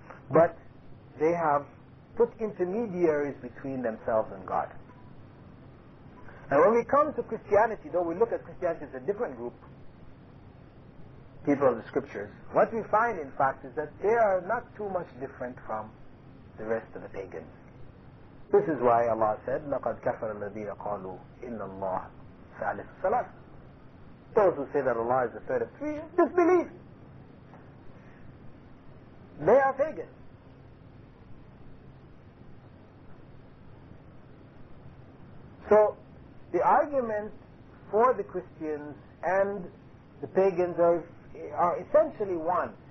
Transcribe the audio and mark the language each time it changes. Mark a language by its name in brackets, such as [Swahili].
[English] But they have put intermediaries between themselves and God. And when we come to Christianity, though we look at Christianity as a different group, people of the scriptures, what we find, in fact, is that they are not too much different from the rest of the pagans. This is why Allah said, [Arabic] لَقَدْ كَفَرَ الَّذِينَ قَالُوا إِنَّ اللَّهَ ثَالِثُ ثَلَاثٍ. [English] Those who say that Allah is the third of three, disbelieve. They are pagans. So, the argument for the Christians and the pagans are essentially one.